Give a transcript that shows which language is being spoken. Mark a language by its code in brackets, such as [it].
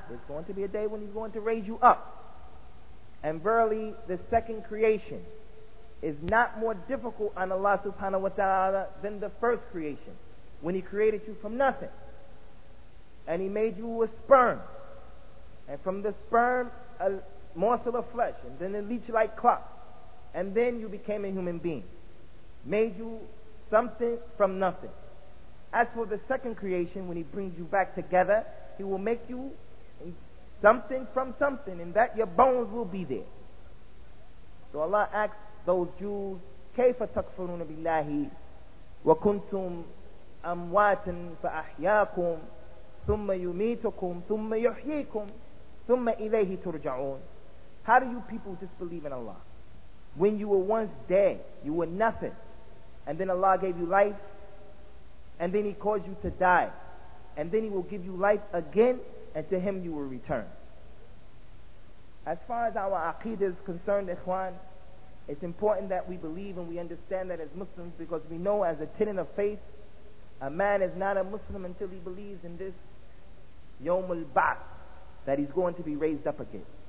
[en] There's going to be a day when he's going to raise you up. And verily, the second creation is not more difficult on Allah subhanahu wa ta'ala than the first creation, when he created you from nothing and he made you a sperm, and from the sperm a morsel of flesh, and then a leech like clock, and then you became a human being, made you something from nothing. As for the second creation, when he brings you back together, he will make you something from something, and that your bones will be there. [ar] So Allah asks those Jews, كَيْفَ تَكْفُرُونَ بِاللَّهِ وَكُنْتُمْ أَمْوَاتٍ فَأَحْيَاكُمْ ثُمَّ يُمِيتُكُمْ ثُمَّ يُحْيِيكُمْ ثُمَّ إِلَيْهِ تُرْجَعُونَ. [en] How do you people disbelieve in Allah when you were once dead, you were nothing, and then Allah gave you life, and then he caused you to die, and then he will give you life again, and to him you will return? As far as our aqidah is concerned, Ikhwan, it's important that we believe and we understand that as Muslims, because we know as a tenet of faith, a man is not a Muslim until he believes in this Yawm al-Ba'th, that he's going to be raised up again.